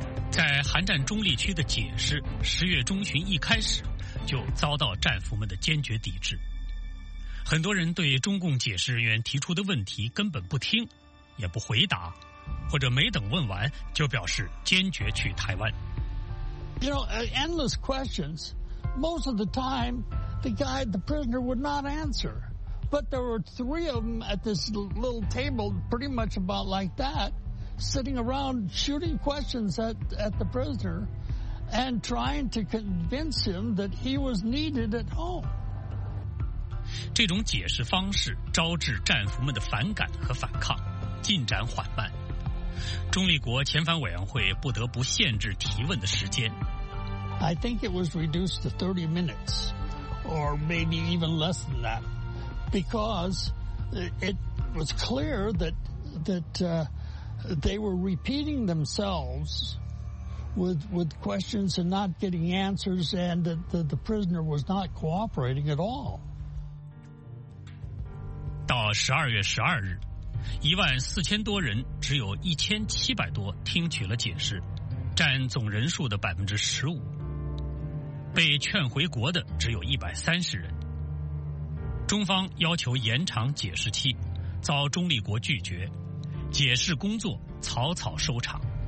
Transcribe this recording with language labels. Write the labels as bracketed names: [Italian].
[Chinese] 在韩战中立区的解释10月中旬一开始就遭到战俘们的坚决抵制，很多人对中共解释人员提出的问题根本不听，也不回答，或者没等问完就表示坚决去台湾。 [English] You know, endless questions. Most of the time, the prisoner would not answer. But there were 3 of them at this little table, pretty much about like that, sitting around shooting questions at the prisoner. and trying to convince him that he was needed at home. [Chinese] 这种解释方式招致战俘们的反感和反抗，进展缓慢。中立国遣返委员会不得不限制提问的时间。 [English] I think it was reduced to 30 minutes, or maybe even less than that, because it was clear that they were repeating themselves with questions and not getting answers, and that the prisoner was not cooperating at all. [Chinese] 到12月12日，14000多人，只有1700多听取了解释，占总人数的15%。被劝回国的只有130人。中方要求延长解释期，遭中立国拒绝，解释工作草草收场。